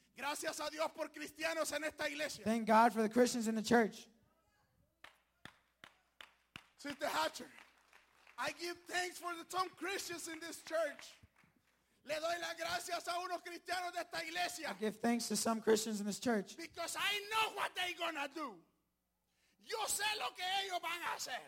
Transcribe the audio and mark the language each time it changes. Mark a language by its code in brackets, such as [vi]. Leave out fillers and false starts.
[es] Gracias a Dios por cristianos en esta iglesia. [en] Thank God for the Christians in the church. Sister Hatcher, I give thanks for some Christians in this church. [es] Le doy las gracias a unos cristianos de esta iglesia. [en] I give thanks to some Christians in this church. Because I know what they're going to do. [es] Yo sé lo que ellos van a hacer.